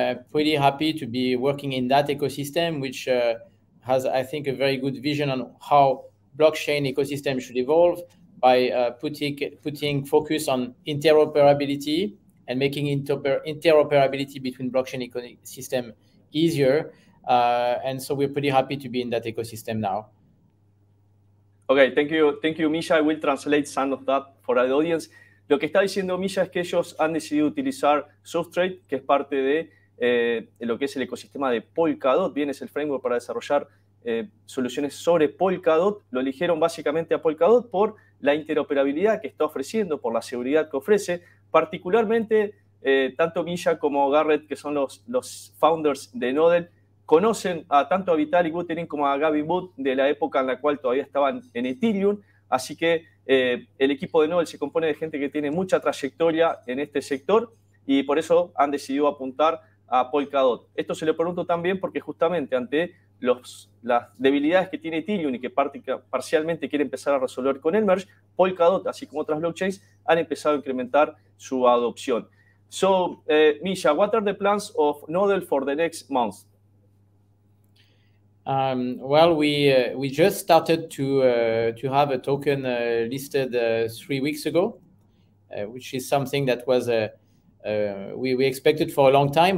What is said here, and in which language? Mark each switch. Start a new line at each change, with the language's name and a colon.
English: Pretty happy to be working in that ecosystem, which has, I think, a very good vision on how blockchain ecosystem should evolve by putting focus on interoperability and making interoperability between blockchain ecosystem easier. And so we're pretty happy to be in that ecosystem now. Okay, thank you, Misha. I will translate some of that for the audience.
Spanish: Lo que está diciendo Misha es que ellos han decidido utilizar Substrate, que es parte de lo que es el ecosistema de Polkadot. Bien, es el framework para desarrollar soluciones sobre Polkadot. Lo eligieron básicamente a Polkadot por la interoperabilidad que está ofreciendo, por la seguridad que ofrece. Particularmente, tanto Misha como Garrett, que son los founders de Noddle, conocen a tanto a Vitalik Buterin como a Gavin Wood de la época en la cual todavía estaban en Ethereum. Así que el equipo de Noddle se compone de gente que tiene mucha trayectoria en este sector y por eso han decidido apuntar a Polkadot. Esto se lo pregunto también porque justamente ante las debilidades que tiene Ethereum y que parcialmente quiere empezar a resolver con el merge, Polkadot, así como otras blockchains, han empezado a incrementar su adopción.
English: So, Misha, what are the plans of Noddle for the next month? We just started to have a token listed 3 weeks ago, which is something that was we expected for a long time.